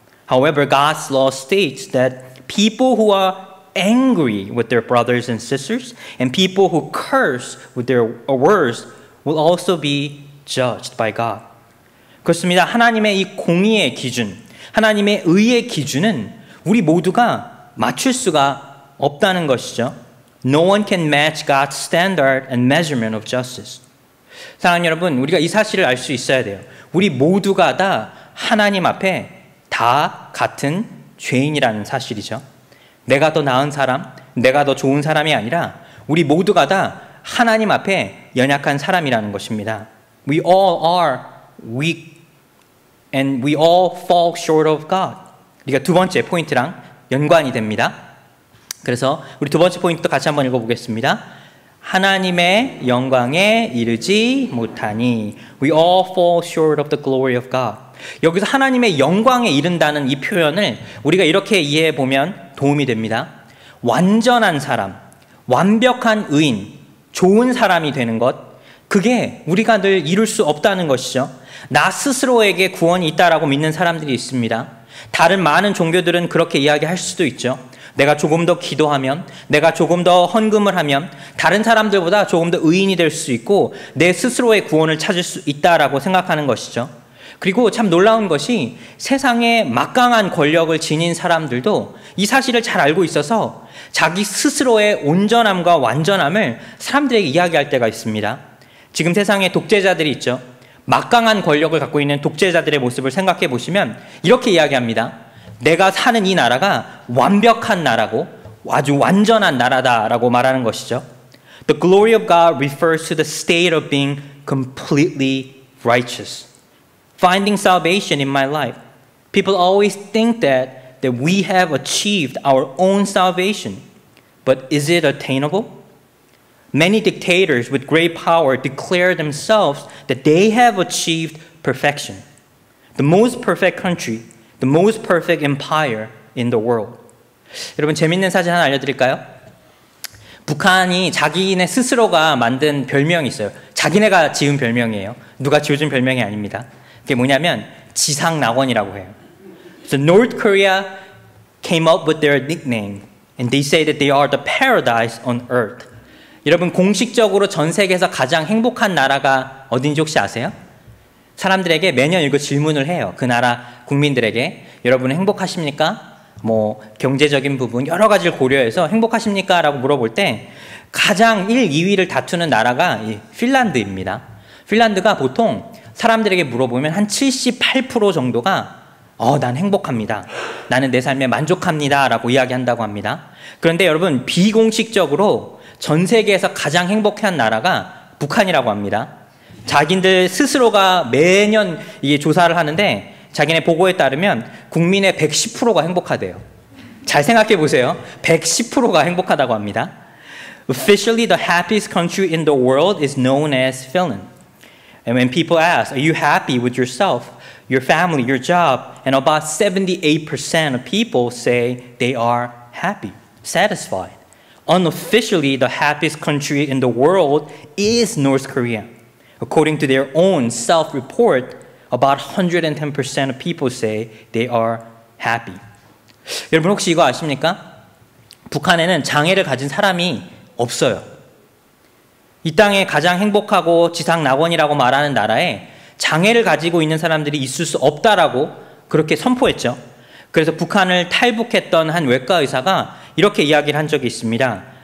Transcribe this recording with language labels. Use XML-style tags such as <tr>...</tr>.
<en>However, God's law states that people who are angry with their brothers and sisters and people who curse with their words will also be judged by God.</en> <ko>그렇습니다. 하나님의 이 공의의 기준, 하나님의 의의 기준은 우리 모두가 맞출 수가 없다는 것이죠.</ko> <en>No one can match God's standard and measurement of justice.</en> <ko>사랑하는 여러분, 우리가 이 사실을 알 수 있어야 돼요. 우리 모두가 다 하나님 앞에 다 같은 죄인이라는 사실이죠. 내가 더 나은 사람, 내가 더 좋은 사람이 아니라 우리 모두가 다 하나님 앞에 연약한 사람이라는 것입니다.</ko> <en>We all are weak and we all fall short of God.</en> <ko>우리가 두 번째 포인트랑 연관이 됩니다. 그래서 우리 두 번째 포인트도 같이 한번 읽어보겠습니다. 하나님의 영광에 이르지 못하니.</ko> <en>We all fall short of the glory of God.</en> <ko>여기서 하나님의 영광에 이른다는 이 표현을 우리가 이렇게 이해해보면 도움이 됩니다. 완전한 사람, 완벽한 의인, 좋은 사람이 되는 것, 그게 우리가 늘 이룰 수 없다는 것이죠. 나 스스로에게 구원이 있다라고 믿는 사람들이 있습니다. 다른 많은 종교들은 그렇게 이야기할 수도 있죠. 내가 조금 더 기도하면, 내가 조금 더 헌금을 하면 다른 사람들보다 조금 더 의인이 될 수 있고 내 스스로의 구원을 찾을 수 있다라고 생각하는 것이죠. 그리고 참 놀라운 것이 세상에 막강한 권력을 지닌 사람들도 이 사실을 잘 알고 있어서 자기 스스로의 온전함과 완전함을 사람들에게 이야기할 때가 있습니다. 지금 세상에 독재자들이 있죠. 막강한 권력을 갖고 있는 독재자들의 모습을 생각해 보시면 이렇게 이야기합니다. 내가 사는 이 나라가 완벽한 나라고 아주 완전한 나라다라고 말하는 것이죠.</ko> <en>The glory of God refers to the state of being completely righteous. Finding salvation in my life. People always think that we have achieved our own salvation. But is it attainable? Many dictators with great power declare themselves that they have achieved perfection. The most perfect country, the most perfect empire in the world.</en> <ko>여러분, 재밌는 사실 하나 알려드릴까요? 북한이 자기네 스스로가 만든 별명이 있어요. 자기네가 지은 별명이에요. 누가 지어준 별명이 아닙니다. 그게 뭐냐면 지상 낙원이라고 해요.</ko> <en>So North Korea came up with their nickname and they say that they are the paradise on earth.</en> <ko>여러분 공식적으로 전 세계에서 가장 행복한 나라가 어딘지 혹시 아세요? 사람들에게 매년 이거 질문을 해요. 그 나라 국민들에게 여러분은 행복하십니까? 뭐 경제적인 부분 여러 가지를 고려해서 행복하십니까? 라고 물어볼 때 가장 1, 2위를 다투는 나라가 이 핀란드입니다. 핀란드가 보통 사람들에게 물어보면 한 78% 정도가 난 행복합니다. 나는 내 삶에 만족합니다. 라고 이야기한다고 합니다. 그런데 여러분 비공식적으로 전 세계에서 가장 행복한 나라가 북한이라고 합니다. 자기들 스스로가 매년 이게 조사를 하는데 자기네 보고에 따르면 국민의 110%가 행복하대요. 잘 생각해 보세요. 110%가 행복하다고 합니다.</ko> <en>Officially, the happiest country in the world is known as Finland. And when people ask, are you happy with yourself, your family, your job, and about 78% of people say they are happy, satisfied. Unofficially, the happiest country in the world is North Korea. According to their own self-report, about 110% of people say they are happy.</en> <ko>여러분 혹시 이거 아십니까? 북한에는 장애를 가진 사람이 없어요. 이 땅에 가장 행복하고 지상 낙원이라고 말하는 나라에 장애를 가지고 있는 사람들이 있을 수 없다라고 그렇게 선포했죠. 그래서 북한을 탈북했던 한 외과 의사가 이렇게 이야기를 한 적이 있습니다.</ko>